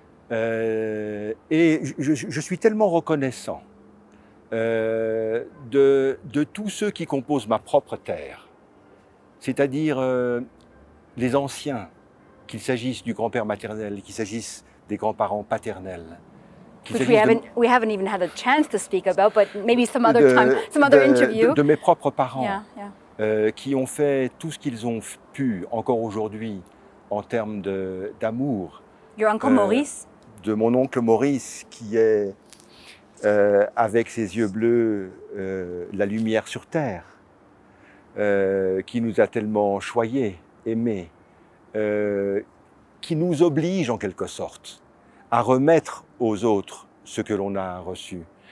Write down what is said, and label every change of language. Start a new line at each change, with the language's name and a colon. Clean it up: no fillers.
French: Et je suis tellement reconnaissant de tous ceux qui composent ma propre terre, c'est-à-dire les anciens, qu'il s'agisse du grand-père maternel, qu'il s'agisse des grands-parents paternels,
English: Which we haven't even had a chance to speak about, but maybe some other interview.
French: De mes propres parents, qui ont fait tout ce qu'ils ont pu encore aujourd'hui en termes d'amour.
English: Your uncle Maurice.
French: De mon oncle Maurice, qui est avec ses yeux bleus la lumière sur terre, qui nous a tellement choyés, aimés, qui nous oblige en quelque sorte à remettre aux autres ce que l'on a reçu.